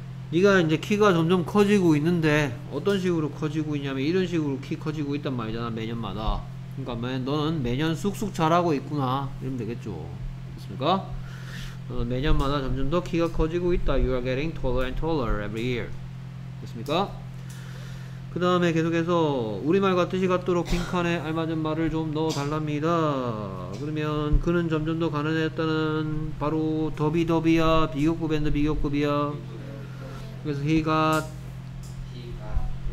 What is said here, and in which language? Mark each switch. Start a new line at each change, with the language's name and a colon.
Korean: 네가 이제 키가 점점 커지고 있는데 어떤 식으로 커지고 있냐면 이런 식으로 키 커지고 있단 말이잖아, 매년마다. 그러니까 너는 매년 쑥쑥 자라고 있구나 이러면 되겠죠. 됐습니까? 매년마다 점점 더 키가 커지고 있다.
English: You are getting taller and taller every year.
Korean: 됐습니까? 그 다음에 계속해서 우리말과 뜻이 같도록 빈칸에 알맞은 말을 좀 넣어달랍니다. 그러면 그는 점점 더 가난해졌다는 바로 더비더비야 비교급 앤드 비교급이야. 그래서
English: he got